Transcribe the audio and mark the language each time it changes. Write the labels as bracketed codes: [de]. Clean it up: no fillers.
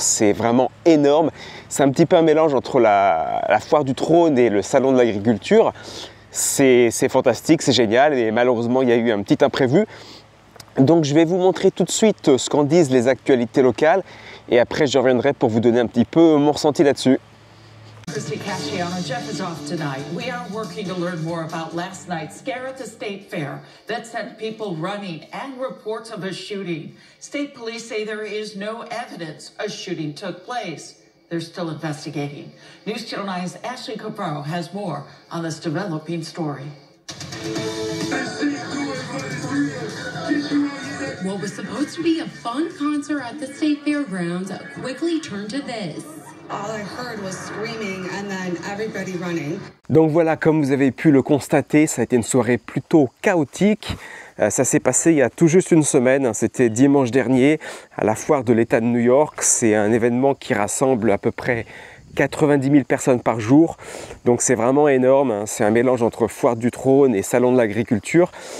[fr] C'est vraiment énorme. C'est un petit peu un mélange entre la foire du trône et le salon de l'agriculture. C'est fantastique, c'est génial et malheureusement, il y a eu un petit imprévu. Donc je vais vous montrer tout de suite ce qu'en disent les actualités locales et après je reviendrai pour vous donner un petit peu mon ressenti là-dessus. [en] Christy Casciano, Jeff is off tonight. We are working to learn more about last night's scare at the State Fair that sent people running and reports of a shooting. State police say there is no evidence a shooting took place. They're still investigating. News Channel 9's Ashley Cabrero has more on this developing story. What was supposed to be a fun concert at the State Fairgrounds quickly turned to this. All I heard was screaming and then everybody running. [fr] Donc voilà, comme vous avez pu le constater, ça a été une soirée plutôt chaotique. Ça s'est passé il y a tout juste une semaine, c'était dimanche dernier, à la foire de l'État de New York. C'est un événement qui rassemble à peu près 90 000 personnes par jour. Donc c'est vraiment énorme, c'est un mélange entre foire du trône et salon de l'agriculture.